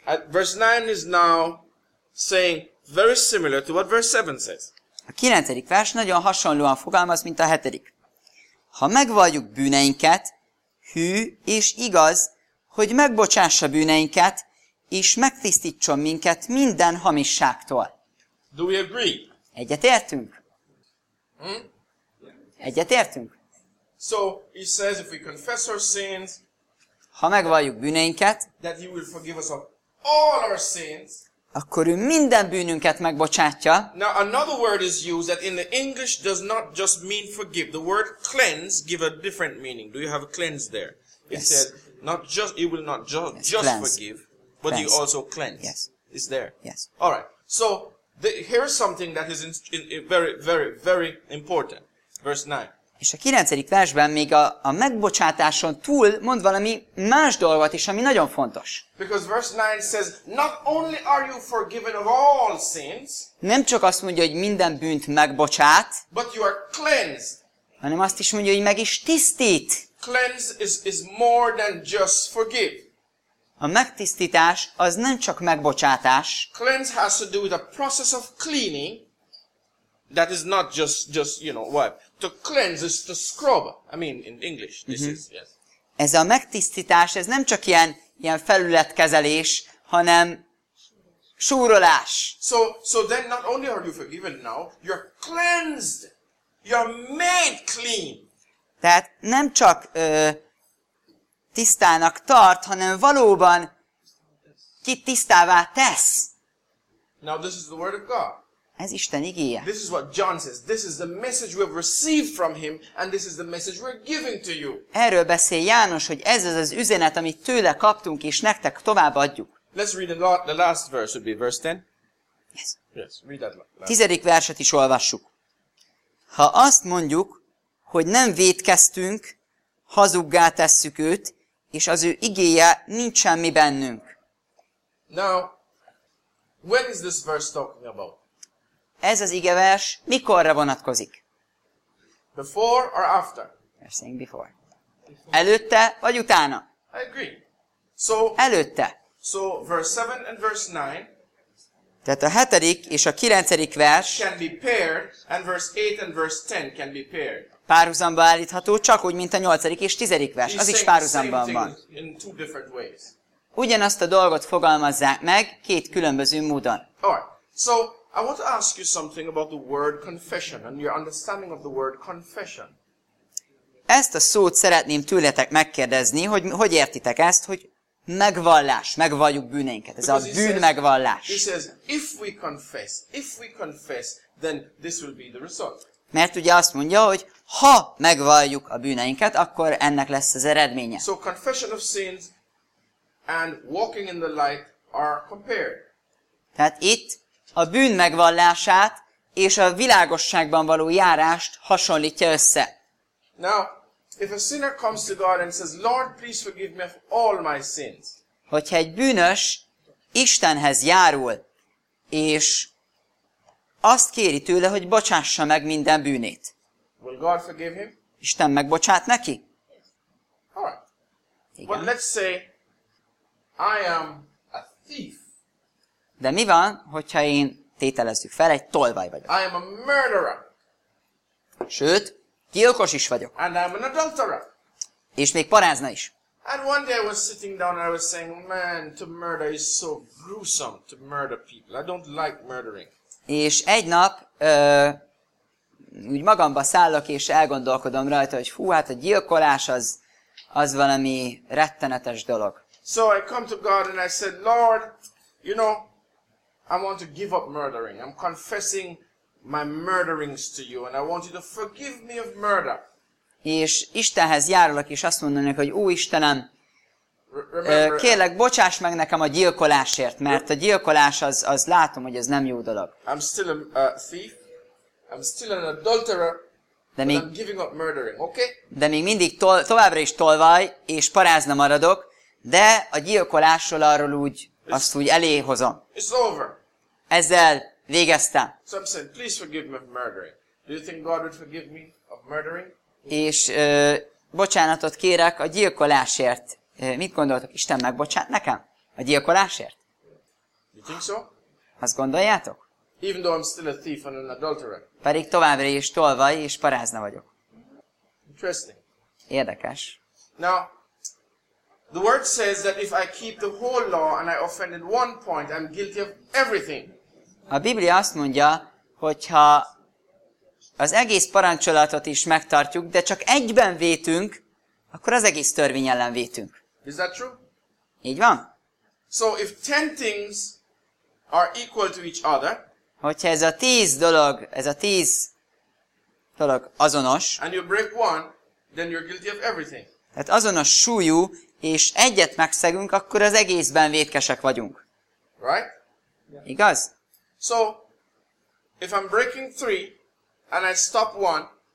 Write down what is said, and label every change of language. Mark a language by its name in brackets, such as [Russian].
[English] Verse 9 is now saying very similar to what verse 7 says. [Hungarian] A 9. vers nagyon hasonlóan fogalmaz, mint a 7. Ha megvalljuk bűneinket, hű és igaz, hogy megbocsássa bűneinket, és megtisztítson minket minden hamisságtól. [English] Do we agree? [Hungarian] Egyetértünk? Egyetértünk? [English] So, he says if we confess our sins, [Hungarian] ha megvalljuk bűneinket, [English] that he will forgive us of all our sins, [Hungarian] akkor ő minden bűnünket megbocsátja. [English] Now another word is used that in the English does not just mean forgive. The word cleanse give a different meaning. Do you have a cleanse there? Yes. It said not just you will not just cleanse. Forgive, but cleanse. You also cleanse. Yes. It's there. Yes. All right. So here is something that is very very very important. Verse 9. [Hungarian] És a 9. versben még a megbocsátáson túl mond valami más dolgot is, ami nagyon fontos. [English] Because verse 9 says, not only are you forgiven of all sins, [Hungarian] nem csak azt mondja, hogy minden bűnt megbocsát, [English] but you are cleansed, [Hungarian] hanem azt is mondja, hogy meg is tisztít. [English] Cleanse is more than just forgive. [Hungarian] A megtisztítás az nem csak megbocsátás. [English] Cleanse has to do with a process of cleaning, that is not just you know what. To cleanse is to scrub. I mean in English this mm-hmm. is yes. [Hungarian] Ez a megtisztítás, ez nem csak ilyen felületkezelés, hanem súrolás. [English] So then not only are you forgiven now, you're cleansed. You're made clean. [Hungarian] Tehát nem csak tisztának tart, hanem valóban kitisztává tesz. [English] Now this is the word of God. [Hungarian] Ez Isten igéje. [English] This is what John says. This is the message we have received from him, and this is the message we're giving to you. [Hungarian] Erről beszél János, hogy ez az üzenet, amit tőle kaptunk, és nektek továbbadjuk. [English] Let's read the last verse, would be verse 10. Yes, read that last. [Hungarian] 10. verset is olvassuk. Ha azt mondjuk, hogy nem vétkeztünk, hazuggá tesszük őt, és az ő igéje nincs semmi bennünk. [English] Now, when is this verse talking about? [Hungarian] Ez az igevers mikorra vonatkozik? [English] Before or after? You're saying before. [Hungarian] Előtte vagy utána? [English] I agree. [Hungarian] Előtte. [English] So verse 7 and verse 9. [Hungarian] Tehát a 7. és a 9. vers [English] can be paired, and verse 8 and verse 10 can be paired. [Hungarian] Párhuzamba állítható, csak úgy, mint a 8. és 10. vers. Az is párhuzamban van. [English] In two different ways. [Hungarian] Ugyanazt a dolgot fogalmazzák meg két különböző módon. [English] Alright. So I want to ask you something about the word confession and your understanding of the word confession. [Hungarian] Ezt a szót szeretném tőletek megkérdezni, hogy értitek ezt, hogy megvallás, megvalljuk bűneinket. Ez [English] Because [Hungarian] a bűn megvallás. [English] He says, if we confess, then this will be the result. [Hungarian] Mert ugye azt mondja, hogy ha megvalljuk a bűneinket, akkor ennek lesz az eredménye. [English] So confession of sins and walking in the light are compared. [Hungarian] Tehát itt a bűn megvallását és a világosságban való járást hasonlítja össze. [English] Now, if a sinner comes to God and says, Lord, please forgive me of all my sins. [Hungarian] Hogyha egy bűnös Istenhez járul, és azt kéri tőle, hogy bocsássa meg minden bűnét. [English] Will God forgive him? [Hungarian] Isten megbocsát neki? [English] All right. [Hungarian] Igen. [English] But let's say, I am a thief. [Hungarian] De mi van, hogyha én tételezzük fel, egy tolvaj vagyok? [English] I am a murderer. [Hungarian] Sőt, Gyilkos is vagyok. [English] And I'm an adulterer. [Hungarian] És még parázna is. [English] And one day I was sitting down and I was saying, man, to murder is so gruesome, to murder people. I don't like murdering. [Hungarian] És egy nap úgy magamba szállok és elgondolkodom rajta, hogy hú, hát a gyilkolás az valami rettenetes dolog. [English] So I come to God and I said, Lord, you know, I want to give up murdering. I'm confessing my murderings to you and I want you to forgive me of murder. [Hungarian] És Istenhez járulok, és azt mondom neki, hogy ó Istenem, kérlek, bocsáss meg nekem a gyilkolásért, mert a gyilkolás az látom, hogy ez nem jó dolog. [English] I'm still a thief. I'm still an adulterer. [Hungarian] De még, [English] but I'm giving up murdering, okay? [Hungarian] De még mindig továbbra is tolvaj, és parázna maradok, de a gyilkolásról arról úgy, azt úgy eléhozom. [English] It's over. [Hungarian] Ezzel végeztem. [English] So I'm saying, please forgive me of murdering. Do you think God would forgive me of murdering? [Hungarian] És bocsánatot kérek a gyilkolásért. Mit gondoltok? Isten megbocsát nekem? A gyilkolásért? [English] You think so? [Hungarian] Azt gondoljátok? [English] Even though I'm still a thief and an adulterer. [Hungarian] Pedig továbbra is tolvaj és parázna vagyok. [English] Interesting. [Hungarian] Érdekes. [English] Now, the word says that if I keep the whole law and I offend in one point, I'm guilty of everything. [Hungarian] A Biblia azt mondja, hogyha az egész parancsolatot is megtartjuk, de csak egyben vétünk, akkor az egész törvény ellen vétünk. [English] Is that true? [Hungarian] Így van. [English] So if 10 things are equal to each other, [Hungarian] hogyha ez a tíz dolog azonos, [English] and you break one, then you're guilty of everything. [Hungarian] Tehát azonos súlyú, és egyet megszegünk, akkor az egészben vétkesek vagyunk. [English] Right? Yeah. [Hungarian] Igaz? [English] So, if I'm breaking 3, and I stop one,